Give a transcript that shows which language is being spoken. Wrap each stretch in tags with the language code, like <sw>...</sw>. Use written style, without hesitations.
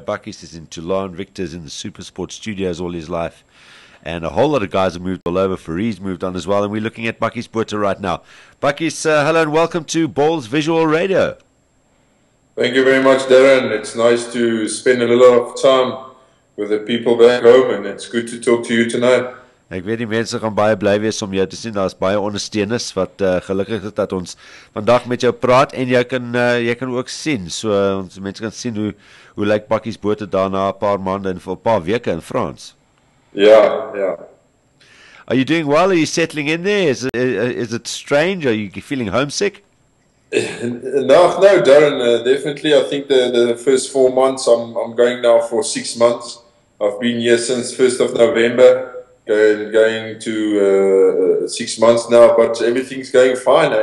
<en>Bakkies is in Toulon, Victor's in the Supersport studios all his life, and a whole lot of guys have moved all over. Fareed's moved on as well, and we're looking at Bakkies Botha right now. Bakkies, hello and welcome to Ballz Visual Radio. Thank you very much, Darren. It's nice to spend a little of time with the people back home, and it's good to talk to you tonight.</en> <af>Ek weet die mense gaan baie bly wees om jou te sien. Daar is baie ondersteuners wat gelukkig is dat ons vandag met jou praat en jy kan ook sien. So ons mense kan sien hoe lyk Bakkies Botha daarna 'n paar maande en vir 'n paar weke in Frans. Ja.</af> <en>Are you doing well? Are you settling in there? Is it strange? Are you feeling homesick? No, Darren, definitely. I think the first 4 months, I'm going now for 6 months. I've been here since 1st of November, going to 6 months now, but everything's going fine.</en>